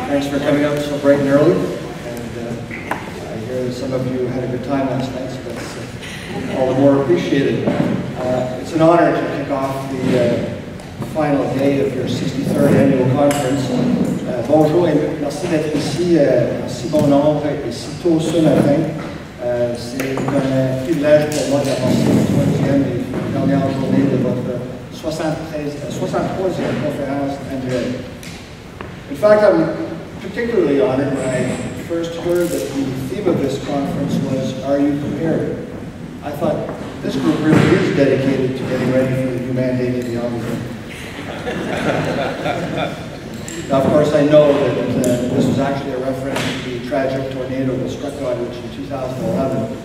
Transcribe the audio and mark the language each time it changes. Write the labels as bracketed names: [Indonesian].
[English] Thanks for coming up so bright and early. And I hear some of you had a good time last night, so that's all the more appreciated. It's an honor to kick off the final day of your 63rd annual conference. [French] Bonjour et merci d'être ici, si bon nombre et si tôt ce matin. C'est un privilège pour moi d'avancer la 20e et dernière journée de votre 63e conférence annuelle. [English] In fact, I'm particularly honored when I first heard that the theme of this conference was, "Are you prepared?" I thought, this group really is dedicated to getting ready for the new mandate of the Ombudsman. Now, of course, I know that this was actually a reference to the tragic tornado that struck Goderich in 2011.